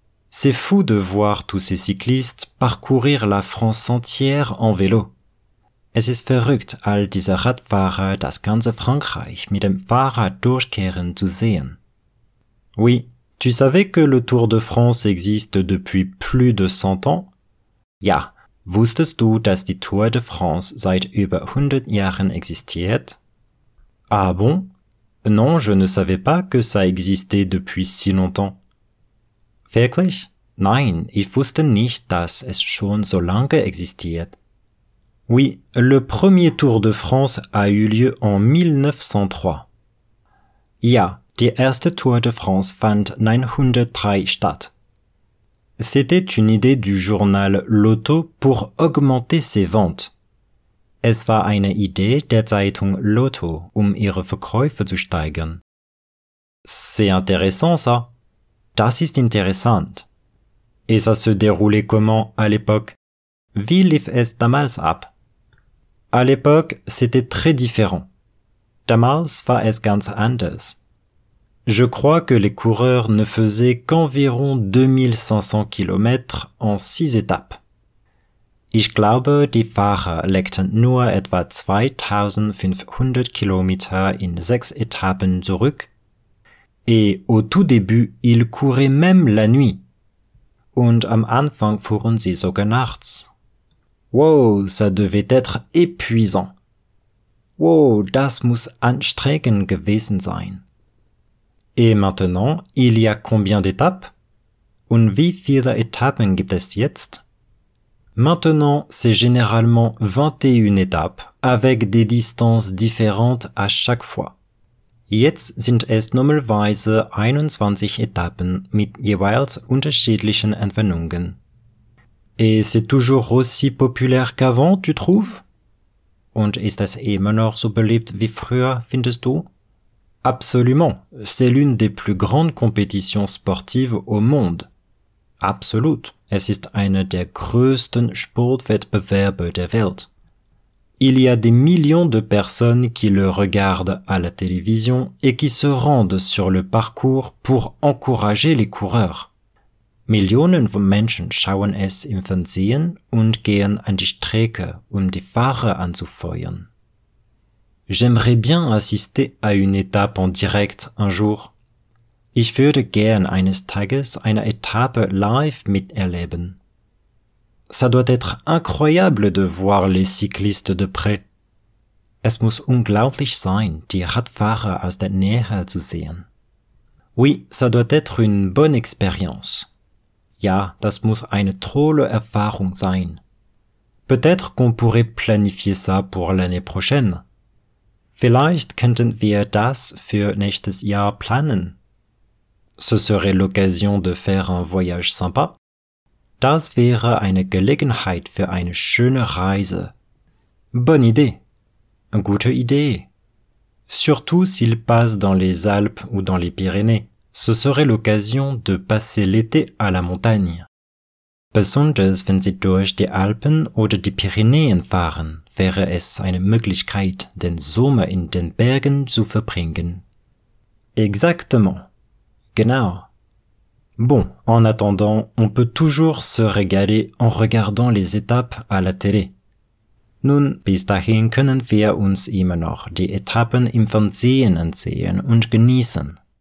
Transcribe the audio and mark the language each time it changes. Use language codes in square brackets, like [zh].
[fr] C'est fou de voir tous ces cyclistes parcourir la France entière en vélo. [de] Es ist verrückt, all diese Radfahrer das ganze Frankreich mit dem Fahrrad durchqueren zu sehen. [fr] Oui, tu savais que le Tour de France existe depuis plus de 100 ans? [de] Ja, wusstest du, dass die Tour de France seit über 100 Jahren existiert? [fr] Ah bon? Non, je ne savais pas que ça existait depuis si longtemps. [de] Wirklich? Nein, ich wusste nicht, dass es schon so lange existiert. [fr] Oui, le premier Tour de France a eu lieu en 1903. [de] Ja, die erste Tour de France fand 1903 statt. [fr] C'était une idée du journal Lotto pour augmenter ses ventes. [de] Es war eine Idee der Zeitung Lotto, ihre Verkäufe zu steigern. [fr] C'est intéressant ça. [de] Das ist interessant. [fr] Et ça se déroulait comment à l'époque? [de] Wie lief es damals ab? [fr] À l'époque, c'était très différent. [de] Damals war es ganz anders. [fr] Je crois que les coureurs ne faisaient qu'environ 2500 km en 6 étapes. [de] Ich glaube, die Fahrer legten nur etwa 2500 km in 6 Etappen zurück. [fr] Et au tout début, ils couraient même la nuit. [de] Und am Anfang fuhren sie sogar nachts. [fr] Wow, ça devait être épuisant. [de] Wow, das muss anstrengend gewesen sein. [fr] Et maintenant, il y a combien d'étapes? [de] Und wie viele Etappen gibt es jetzt? [fr] Maintenant, c'est généralement 21 étapes, avec des distances différentes à chaque fois. [de] Jetzt sind es normalerweise 21 Etappen mit jeweils unterschiedlichen Entfernungen. [fr] Et c'est toujours aussi populaire qu'avant, tu trouves? [de] Und ist es immer noch so beliebt wie früher, findest du? [fr] Absolument. C'est l'une des plus grandes compétitions sportives au monde. [de] Absolut. Es ist einer der größten Sportwettbewerbe der Welt. [fr] Il y a des millions de personnes qui le regardent à la télévision et qui se rendent sur le parcours pour encourager les coureurs. [de] Millionen von Menschen schauen es im Fernsehen und gehen an die Strecke, die Fahrer anzufeuern. [fr] J'aimerais bien assister à une étape en direct un jour. [de] Ich würde gern eines Tages eine Etappe live miterleben. [fr] Ça doit être incroyable de voir les cyclistes de près. [de] Es muss unglaublich sein, die Radfahrer aus der Nähe zu sehen. [fr] Oui, ça doit être une bonne expérience. [de] Ja, das muss eine tolle Erfahrung sein. [fr] Peut-être qu'on pourrait planifier ça pour l'année prochaine. [de] Vielleicht könnten wir das für nächstes Jahr planen. [fr] Ce serait l'occasion de faire un voyage sympa. [de] Das wäre eine Gelegenheit für eine schöne Reise. [fr] Bonne idée. [de] Gute Idee. [fr] Surtout s'il passe dans les Alpes ou dans les Pyrénées. Ce serait l'occasion de passer l'été à la montagne. [de] Besonders wenn sie durch die Alpen oder die Pyrenäen fahren, wäre es eine Möglichkeit, den Sommer in den Bergen zu verbringen. [fr] Exactement. [de] Genau. [fr] Bon, en attendant, on peut toujours se régaler en regardant les étapes à la télé. [de] Nun, bis dahin können wir uns immer noch die Etappen im Fernsehen ansehen und genießen.